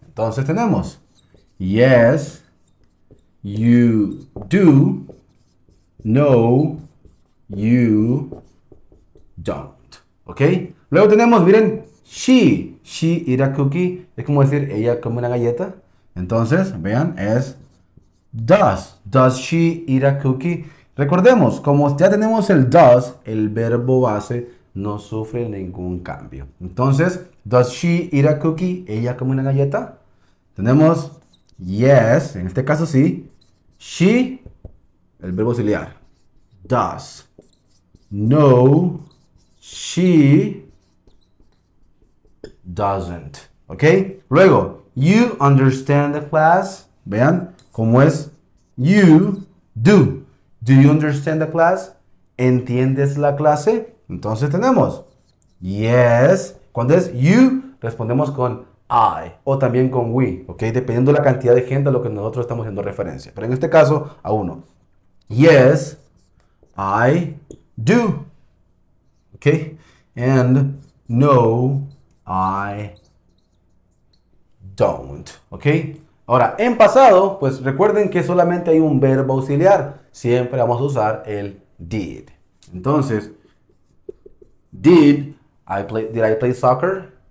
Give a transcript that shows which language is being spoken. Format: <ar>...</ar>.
<es>Entonces tenemos,</es> <en>yes, you do, no, you don't. ¿Ok?</en> <es>Luego tenemos, miren,</es> <en>she eat a cookie.</en> <es>Es como decir, ella come una galleta. Entonces, vean, es</es> <en>does she eat a cookie?</en> <es>Recordemos, como ya tenemos el does, el verbo base no sufre ningún cambio.</es> <en>Entonces, does she eat a cookie?</en> <es>¿Ella come una galleta? Tenemos yes, en este caso sí. She, el verbo auxiliar. Does.</es> <en>No, she doesn't. ¿Ok? Luego, you understand the class.</en> <es>Vean, cómo es</es> <en>you do. Do you understand the class?</en> <es>¿Entiendes la clase? Entonces tenemos, yes. Cuando es you, respondemos con I o también con we, ¿ok? Dependiendo de la cantidad de gente a lo que nosotros estamos haciendo referencia. Pero en este caso, a uno.</es> <en>Yes, I do.</en> <es>¿Ok?</es> <en>And no, I don't. ¿Ok?</en> <es>Ahora, en pasado, pues recuerden que solamente hay un verbo auxiliar. Siempre vamos a usar el did.</es> <en>Entonces, did I play soccer?</en>